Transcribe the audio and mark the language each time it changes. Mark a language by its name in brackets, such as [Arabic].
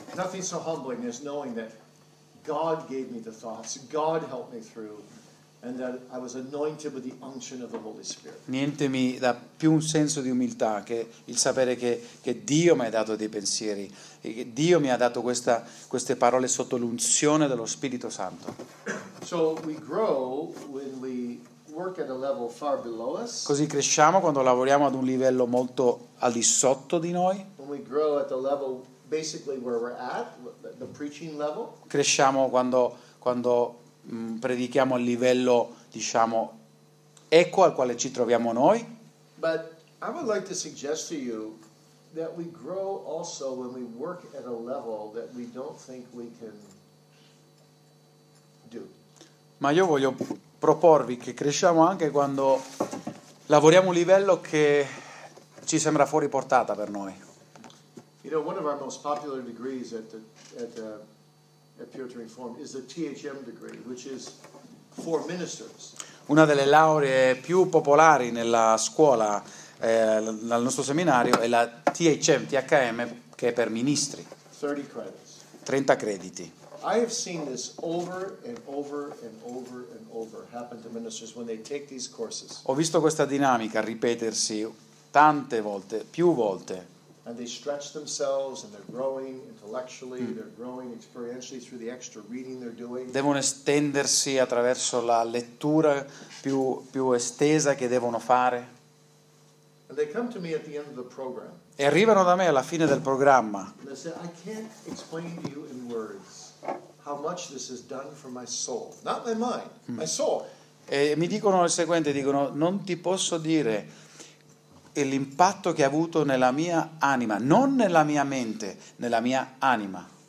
[English] Nothing so humbling as knowing that God gave me the thoughts, God helped me through. And that I was anointed with the unction of the Holy Spirit. [Italian] Niente mi dà più un senso di umiltà che il sapere che Dio mi ha dato dei pensieri e che Dio mi ha dato queste parole sotto l'unzione dello Spirito Santo. [English] So we grow when we work at a level far below us. [Italian] Così cresciamo quando lavoriamo ad un livello molto al di sotto di noi. [English] When we grow at the level basically where we're at, the preaching level. [Italian] Cresciamo quando predichiamo a livello, diciamo, ecco al quale ci troviamo noi. [English] But I would like to suggest to you that we grow also when we work at a level that we don't think we can do. [Italian] Ma io voglio proporvi che cresciamo anche quando lavoriamo a un livello che ci sembra fuori portata per noi. [English] You know, one of our most popular degrees at Puritan Reform is the THM degree, which is for ministers. [Italian] Una delle lauree più popolari nella scuola, nel nostro seminario, è la THM, che è per ministri. [English] 30 credits. [Italian] 30 crediti. [English] I have seen this over and over and over and over happen to ministers when they take these courses. [Italian] Ho visto questa dinamica ripetersi tante volte, più volte. [English] And they stretch themselves and they're growing intellectually, they're growing experientially through the extra reading they're doing. [Italian] Devono estendersi attraverso la lettura più estesa che devono fare. [English] And they come to me at the end of the program. [Italian] E arrivano da me alla fine del programma. [English] And they say, I can't explain to you in words how much this has done for my soul. Not my mind, my soul. [Italian] E mi dicono il seguente, dicono, non ti posso dire e l'impatto che ha avuto nella mia anima, non nella mia mente, nella mia anima.